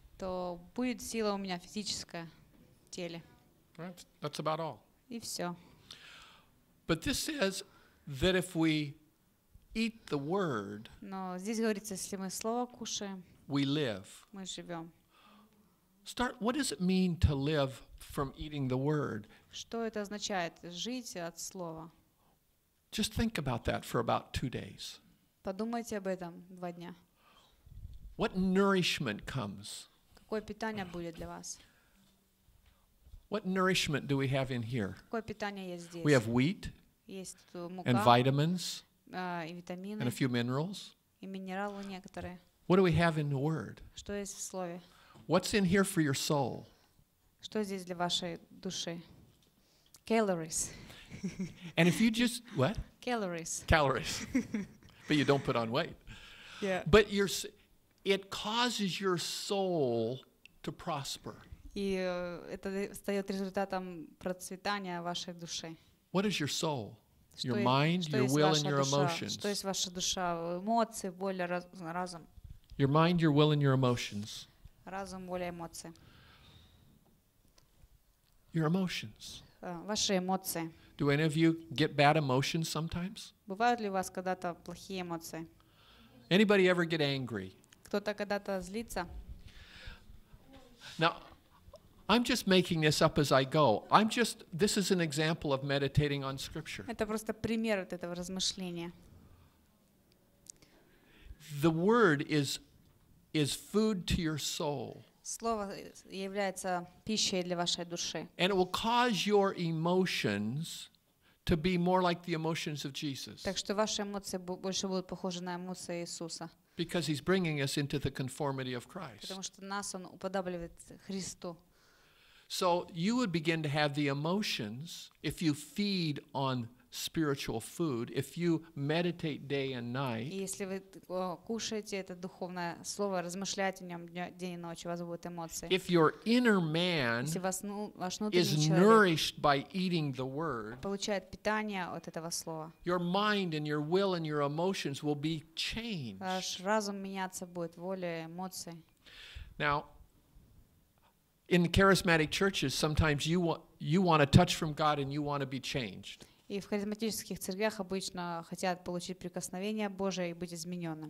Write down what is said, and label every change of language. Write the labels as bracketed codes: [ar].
[ru] То будет сила у меня физическое теле. [en] Right, that's about all. [ru] И все. [en] But this says that if we eat the word, [ru] но здесь говорится, если мы слово кушаем, [en] we live. [ru] Мы живем. [en] Start. What does it mean to live from eating the word? [ru] Что это означает жить от слова? [en] Just think about that for about 2 days. [ru] Подумайте об этом 2 дня. [en] What nourishment comes? [ru] Какое питание будет для вас? [en] What nourishment do we have in here? [ru] Какое питание есть здесь? [en] We have wheat. [ru] Есть тут мука. [en] And vitamins. [ru] И витамины. [en] And a few minerals. [ru] И минералы некоторые. [en] What do we have in the word? [ru] Что есть в слове? [en] What's in here for your soul? [ru] Что здесь для вашей души? [en] Calories. And if you just what? Calories. Calories. But you don't put on weight. Yeah. But it causes your soul to prosper. [ru] И это стаёт результатом процветания вашей души. [en] What is your soul? Your mind, your will, and your emotions. [ru] Что есть ваша душа? Эмоции, воля, разум. [en] Your mind, your will, and your emotions. [ru] Разум, воля, эмоции. [en] Your emotions. [ru] Ваши эмоции. [en] Do any of you get bad emotions sometimes? [ru] Бывают ли у вас когда-то плохие эмоции? [en] Anybody ever get angry? [ru] Кто-то когда-то злится? [en] Now, I'm just making this up as I go. This is an example of meditating on Scripture. [ru] Это просто пример от этого размышления. [en] The word is food to your soul. [ru] Слово является пищей для вашей души. [en] And it will cause your emotions to be more like the emotions of Jesus. [ru] Так что ваши эмоции больше будут похожи на эмоции Иисуса. [en] Because he's bringing us into the conformity of Christ. [ru] Потому что нас он уподобляет Христу. [en] So you would begin to have the emotions if you feed on spiritual food, if you meditate day and night. [ru] Если вы кушаете это духовное слово, размышляете о нем день и ночь, у вас будут эмоции. [en] If your inner man is nourished by eating the word, [ru] получает питание от этого слова. [en] Your mind and your will and your emotions will be changed. [ru] Ваш разум меняться будет, воля, эмоции. [en] Now, in the charismatic churches, sometimes you want a touch from God and you want to be changed. [ru] И в харизматических церквях обычно хотят получить прикосновение Божие и быть измененным.